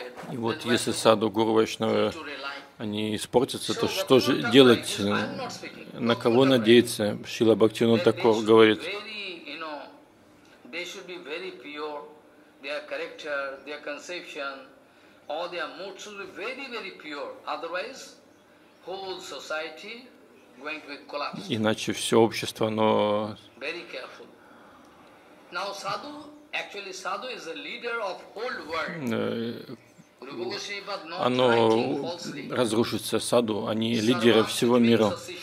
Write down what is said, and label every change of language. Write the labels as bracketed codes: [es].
[ru] И вот если саду гуру вайшнавы, они испортятся, то что же делать, на кого надеяться? Шрила Бхактивинода Тхакур говорит, [en] they should be very pure, their character, their conception, all their moods should be very, very pure. Otherwise, whole society going to be collapsed. [ru] Иначе все общество, но... [en] Very careful. Now sadhu, actually sadhu is the leader of whole world. [ru] Оно разрушится, саду, они лидеры всего мира.